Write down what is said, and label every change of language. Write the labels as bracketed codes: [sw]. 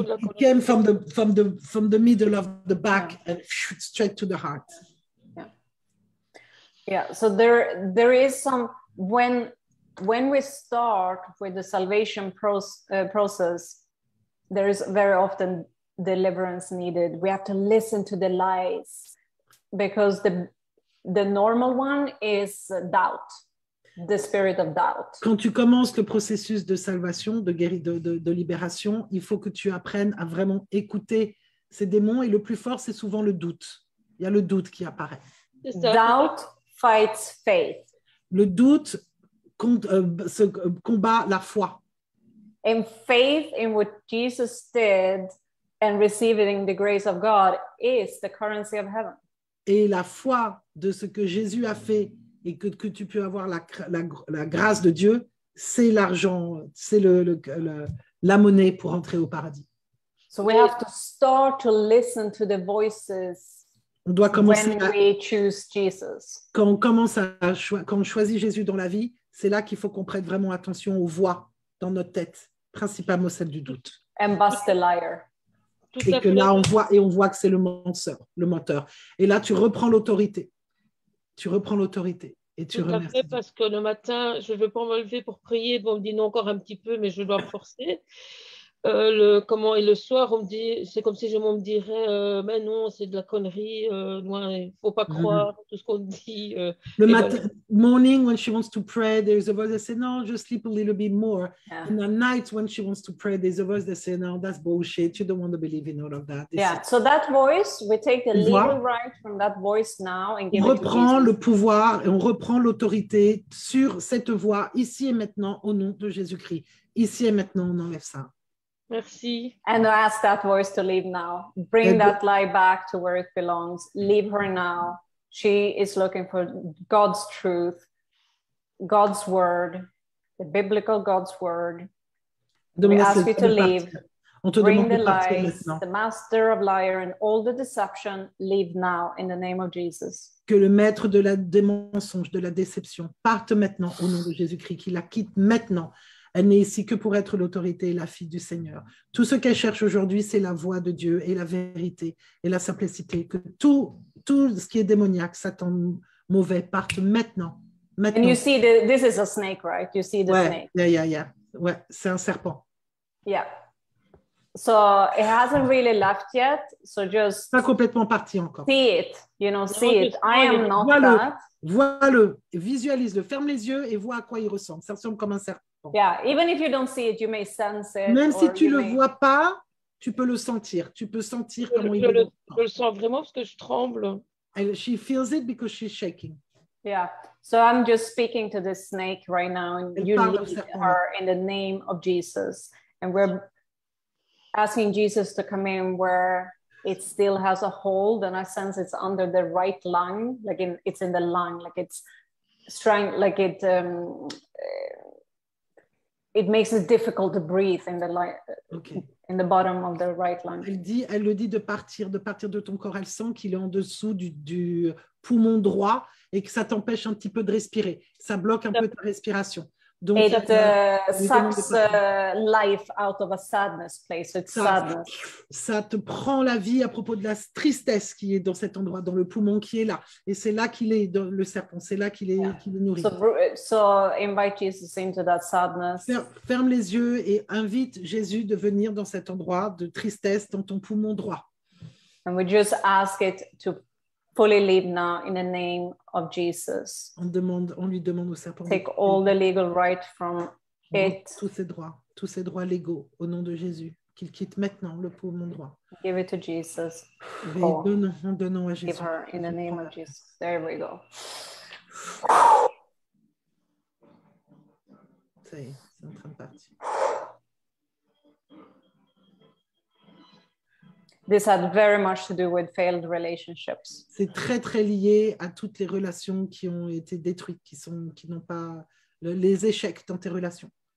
[en] It came from the middle of the back, yeah. And straight to the heart. Yeah. Yeah. So there is some when we start with the salvation process, there is very often deliverance needed. We have to listen to the lies because the normal one is doubt. The spirit of doubt. [fr] Quand tu commences le processus de salvation, de guérison, de libération, il faut que tu apprennes à vraiment écouter ces démons. Et le plus fort, c'est souvent le doute. Il y a le doute qui apparaît. [en] Doubt fights faith. [fr] Le doute combat la foi. [en] And faith in what Jesus did and receiving the grace of God is the currency of heaven. [fr] Et la foi de ce que Jésus a fait. Et que tu peux avoir la grâce de Dieu, c'est l'argent, c'est la monnaie pour entrer au paradis. [en] So we have to start to listen to the voices. [fr] On doit commencer [en] when we choose Jesus. [fr] Quand on commence quand on choisit Jésus dans la vie, c'est là qu'il faut qu'on prête vraiment attention aux voix dans notre tête, principalement celle du doute. [en] And bust the liar. [fr] Et que là on voit que c'est le menteur. Et là tu reprends l'autorité. Tu reprends l'autorité et tu remercies. Après, parce que le matin, je ne veux pas me lever pour prier. Bon, on me dit non encore un petit peu, mais je dois me forcer. Et le soir, on me dit, c'est comme si je me dirais, mais non, c'est de la connerie. Il ne faut pas croire tout ce qu'on dit. Le matin, voilà. [en] Morning, when she wants to pray, there's a voice that says, no, just sleep a little bit more. Yeah. And at night, when she wants to pray, there's a voice that says, no, that's bullshit. You don't want to believe in all of that. This yeah, is... so that voice, we take the legal right from that voice now and give [fr] on [en] it [fr] reprend [en] to Jesus. [fr] Le pouvoir et on reprend l'autorité sur cette voix, ici et maintenant, au nom de Jésus-Christ. Ici et maintenant, on enlève ça. Merci. [en] And ask that voice to leave now. Bring that light back to where it belongs. Leave her now. She is looking for God's truth, God's word, the biblical God's word. We ask you to leave. Bring the lies, the master of liar and all the deception, leave now in the name of Jesus. [fr] Que le maître de la des mensonges, de la déception, parte maintenant au nom de Jésus-Christ, qu'il la quitte maintenant. Elle n'est ici que pour être l'autorité et la fille du Seigneur. Tout ce qu'elle cherche aujourd'hui, c'est la voix de Dieu et la vérité et la simplicité. Que tout ce qui est démoniaque, Satan mauvais, parte maintenant. [en] And you see, this is a snake, right? You see the [fr] ouais, [en] snake. Yeah. [fr] Ouais, c'est un serpent. [en] Yeah. So it hasn't really left yet. So just. [fr] Pas complètement parti encore. [en] See it. You know, see it. I am not voilà. That. [fr] Vois-le, visualise-le, ferme les yeux et vois à quoi il ressemble. Ça ressemble comme un serpent. [en] Yeah, even if you don't see it, you may sense it. [fr] Même si tu ne le vois pas, tu peux le sentir. Tu peux sentir comment il est. Je le sens vraiment parce que je tremble. [en] And she feels it because she's shaking. Yeah, so I'm just speaking to this snake right now. And you leave her in the name of Jesus. And we're asking Jesus to come in where... It still has a hold, and I sense it's under the right lung, like in it's in the lung, like it's strong, like it it makes it difficult to breathe in the in the bottom of the right lung. [fr] Elle le dit de partir de ton corps. Elle sent qu'il est en dessous du poumon droit et que ça t'empêche un petit peu de respirer. Ça bloque un peu ta respiration. Donc, [en] it sucks life out of a sadness place. It's [fr] ça, [en] sadness. [fr] Ça te prend la vie à propos de la tristesse qui est dans cet endroit, dans le poumon qui est là. Et c'est là qu'il est, dans le serpent, c'est là qu'il est, qu'il est nourri. [en] So invite Jesus into that sadness. [fr] Ferme les yeux et invite Jésus de venir dans cet endroit de tristesse dans ton poumon droit. [en] And we just ask it to fully leave now in the name of Jesus. [fr] On lui demande au serpent. [en] Take all the legal right from it. [fr] Tous ses droits légaux au nom de Jésus, qu'il quitte maintenant le poumon droit. [en] Give it to Jesus. [fr] Donnons à Jésus. [en] Give her in the name of Jesus. There we go. [fr] Ça y est, c'est en train de partir. [en] This had very much to do with failed relationships. [fr] C'est très très lié à toutes les relations qui ont été détruites, qui n'ont pas les échecs dans tes relations.